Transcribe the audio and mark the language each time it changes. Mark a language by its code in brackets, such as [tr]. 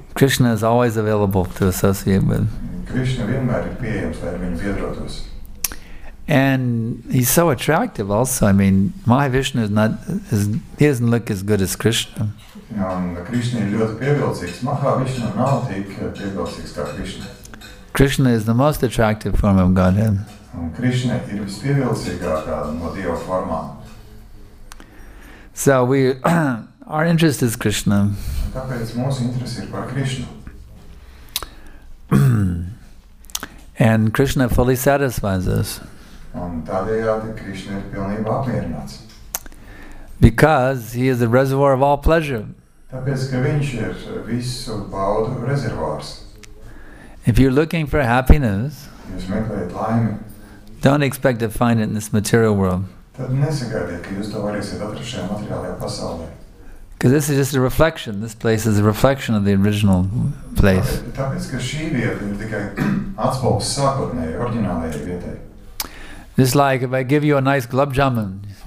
[en] Krishna is always available to associate with. [lv] Krishna vienmēr ir pieejams, lai ar viņu biedrotos. [en] And he's so attractive also. I mean, Mahavishnu he doesn't look as good as Krishna. [lv] Krishna ir ļoti pievilcīgs. Mahavishnu nav tik pievilcīgs kā Krishna. [en] Krishna is the most attractive form of Godhead. [lv] Krishna ir vispievilcīgākā no Dieva formā. [en] So we our interest is Krishna. [lv] Tāpēc mūsu interesi ir par Krishna. [en] And Krishna fully satisfies us. [lv] Un tādējādi Krishna ir pilnībā apmierināts. [en] Because he is the reservoir of all pleasure. [lv] Tāpēc, ka viņš ir visu baudu rezervārs. [en] If you're looking for happiness, [lv] jūs meklējat laimi, [en] don't expect to find it in this material world. [lv] Tad nesagaidiet, ka jūs to varēsiet atrast šajā materiālajā pasaulē. [en] Because this is just a reflection. This place is a reflection of the original place. [lv] Tāpēc, ka šī vieta ir tikai atspoguļo sākotnējai, oriģinālajai vietai. [en] It's like if I give you a nice gulab jamun.